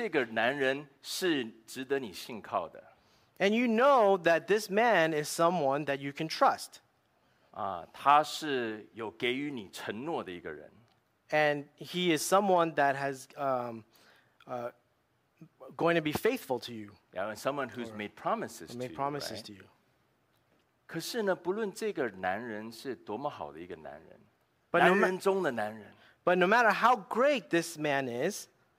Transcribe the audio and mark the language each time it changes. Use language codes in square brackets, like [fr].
[zh] 那你知道你所选择的这个男人是值得你信靠的。 [en] And you know that this man is someone that you can trust. [zh] 他是有给予你承诺的一个人。 [en] And he is someone that has going to be faithful to you. Yeah, and someone who's made promises to you. Made promises to you. [zh] 可是呢, 不论这个男人是多么好的一个男人, 男人中的男人, [en] but no matter how great this man is,